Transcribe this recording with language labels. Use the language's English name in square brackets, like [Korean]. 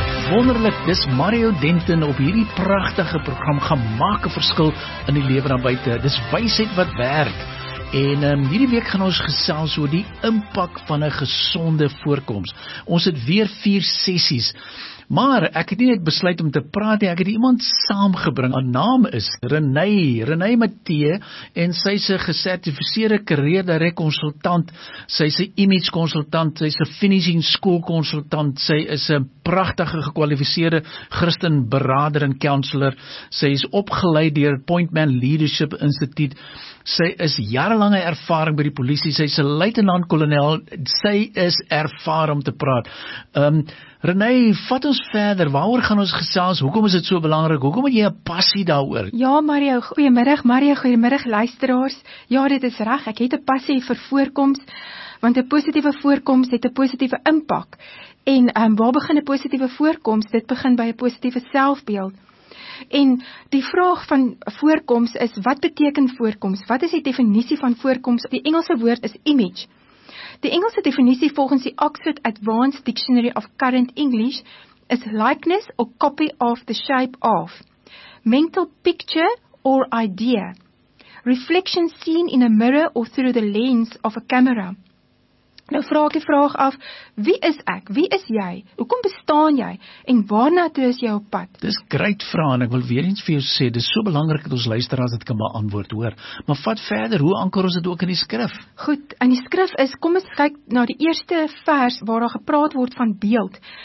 [Afrikaans] Wonderlik, dis Mario Denton op hierdie pragtige program gaan maak 'n verskil in die lewe daarbuiten. Dis wysheid wat werk. En hierdie week gaan ons gesels oor die impak van 'n gesonde voorkoms. Ons het weer 4 sessies. Maar ek het nie net besluit om te praat nie, ek het iemand saamgebring. Haar naam is Renee Matthee en sy is 'n gesertifiseerde kariere-direk konsultant. Sy is 'n image konsultant, sy is 'n finishing school konsultant, sy is 'n pragtige gekwalifiseerde Christen berader en counselor. Sy is opgeleid deur Pointman Leadership Institute. Sy is jarelange ervaring by die polisie, sy is 'n luitenant-kolonel, sy is ervaar om te praat. Renee, vat ons verder, waaroor gaan ons gesels, hoekom is dit so belangrik, hoekom het jy 'n passie daaroor? Ja, Mario, goeiemiddag luisteraars, ja, dit is reg, ek het 'n passie vir voorkoms, want 'n positiewe voorkoms het 'n positiewe impak, en waar begin 'n positiewe voorkoms, dit begin by 'n positiewe selfbeeld. En die vraag van voorkoms is, wat beteken voorkoms? Wat is die definisie van voorkoms? Die Engelse woord is image. Die Engelse definisie volgens die Oxford Advanced Dictionary of Current English is [English] likeness or copy of the shape of. Mental picture or idea. Reflection seen in a mirror or through the lens of a camera. [Afrikaans] Nou vraag ek die vraag af, wie is ek, wie is jy, hoekom bestaan jy, en waarna toe is jy op pad? Dis great vraag, en ek wil weer eens vir jou sê, dis so belangrik dat ons luisteraars dit kan beantwoord hoor. Maar vat verder, hoe anker ons dit ook in die skrif? Goed, in die skrif is, kom eens kyk na die eerste vers waar daar gepraat word van beeld.